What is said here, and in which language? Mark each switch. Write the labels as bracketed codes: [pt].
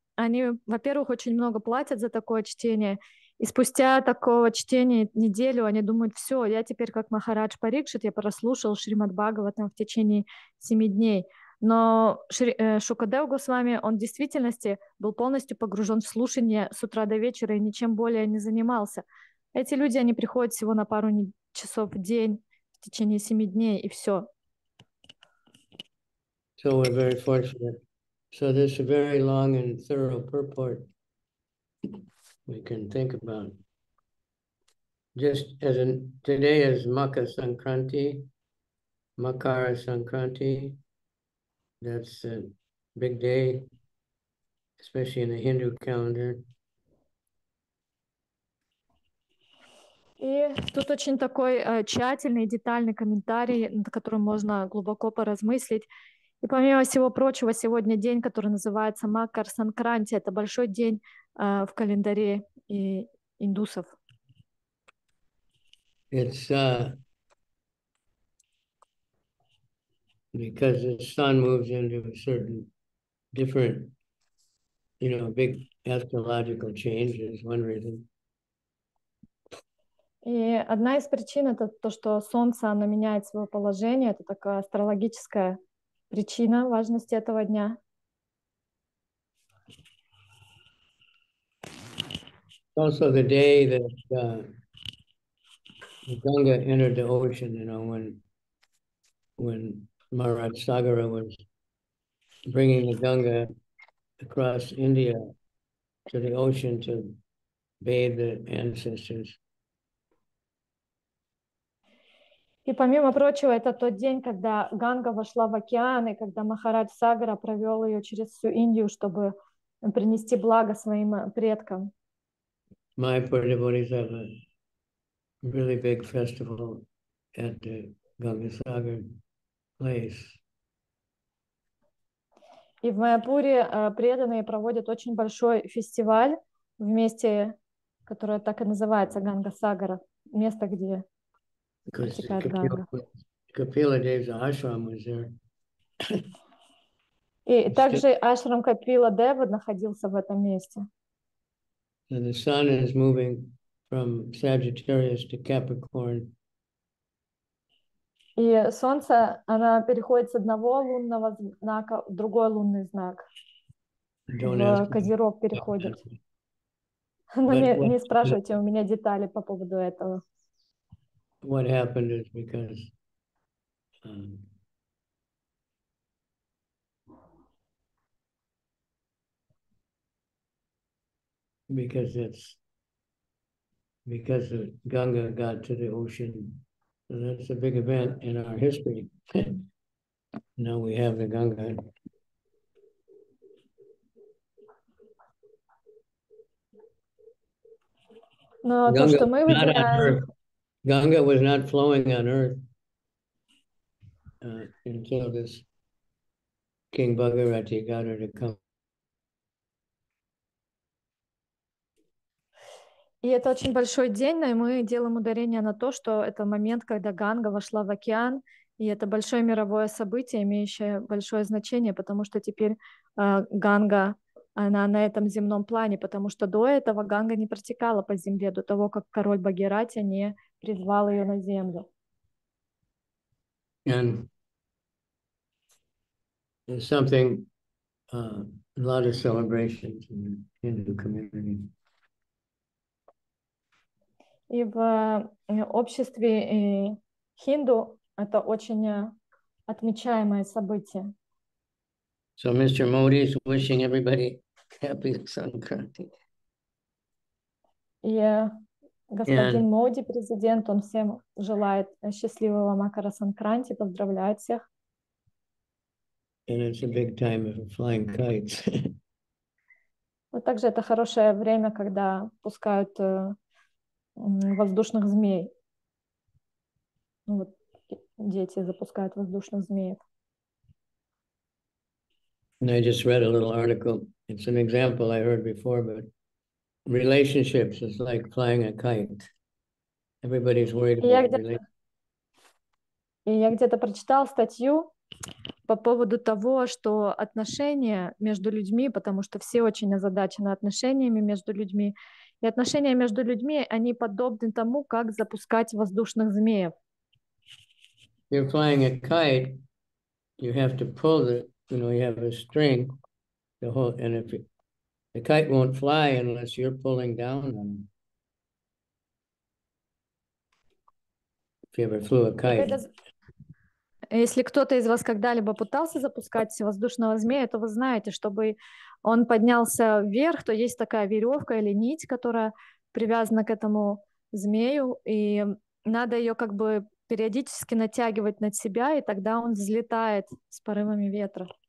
[ru] Они, во-первых, очень много платят за такое чтение, и спустя такого чтения неделю они думают, все, я теперь как Махарадж Парикшит, я прослушал Шримад Бхагаватам в течение 7 дней. Но Шукадев Госвами, он в действительности был полностью погружен в слушание с утра до вечера и ничем более не занимался. Эти люди, они приходят всего на пару часов в день в течение 7 дней, и все. [en] So we're very fortunate. So this is a very long and thorough purport we can think about. Just as in today is Makara Sankranti, Makara Sankranti. That's a big day, especially in the Hindu calendar. [ru] И тут очень такой тщательный, детальный комментарий, над которым можно глубоко поразмыслить. И помимо всего прочего, сегодня день, который называется Макар Санкранти. Это большой день в календаре и индусов. [en] It's because the sun moves into a certain different, you know, big astrological change is one reason. [ru] И одна из причин это то, что солнце, оно меняет свое положение. Это такая астрологическая причина важности этого дня. [en] Also the day that the Ganga entered the ocean, you know, when Maharaj Sagara was bringing the Ganga across India to the ocean to bathe the ancestors. [ru] И помимо прочего, это тот день, когда Ганга вошла в океан, и когда Махарадж Сагара провел ее через всю Индию, чтобы принести благо своим предкам. [en] My poor devotees have a really big festival at the Ganga Sagar place. [ru] И в Майяпуре преданные проводят очень большой фестиваль в месте, которое так и называется Ганга Сагара, место, где... [en] Kapila Dev's ashram was there. [ru] И также ашрам Капила Дева находился в этом месте. [en] And the sun is moving from Sagittarius to Capricorn. [ru] И солнце, оно переходит с одного лунного знака в другой лунный знак. Козерог переходит. Но не спрашивайте у меня детали по поводу этого. [en] What happened is because um, Because of Ganga got to the ocean. So that's a big event in our history. Now we have the Ganga. [ru] Но то, Ганга что мы выделяем. [en] was not flowing on earth until this King Bhagirathi got her to come. [ru] И это очень большой день, но мы делаем ударение на то, что это момент, когда Ганга вошла в океан, и это большое мировое событие, имеющее большое значение, потому что теперь Ганга, она на этом земном плане, потому что до этого Ганга не протекала по земле, до того, как король Багирати не призвал ее на землю. [en] And there's something, a lot of celebrations in the Hindu community. [ru] И в обществе хинду это очень отмечаемое событие. [en] So Mr. Modi is wishing everybody happy Sankranti. [ru] И господин [en] And [ru] Моди, президент, он всем желает счастливого Макара Санкранти, поздравляет всех. [en] And it's a big time for flying kites. [ru] Но также это хорошее время, когда пускают воздушных змей. Ну, вот дети запускают воздушных змеев. [en] And I just read a little article. It's an example I heard before, but relationships is like flying a kite. Everybody's worried [ru] И я [en] about [ru] где-то [en] relationships. [ru] прочитал статью по поводу того, что отношения между людьми, потому что все очень озадачены отношениями между людьми, и отношения между людьми, они подобны тому, как запускать воздушных змеев. [en] You're flying a kite, you have to pull the, you know, you have a string, the whole, and if it, the kite won't fly unless you're pulling down on it. If you ever flew a [ru] И [en] kite. [ru] когда, если кто-то из вас когда-либо пытался запускать воздушного змея, то вы знаете, чтобы он поднялся вверх, то есть такая веревка или нить, которая привязана к этому змею, и надо ее как бы периодически натягивать над себя, и тогда он взлетает с порывами ветра.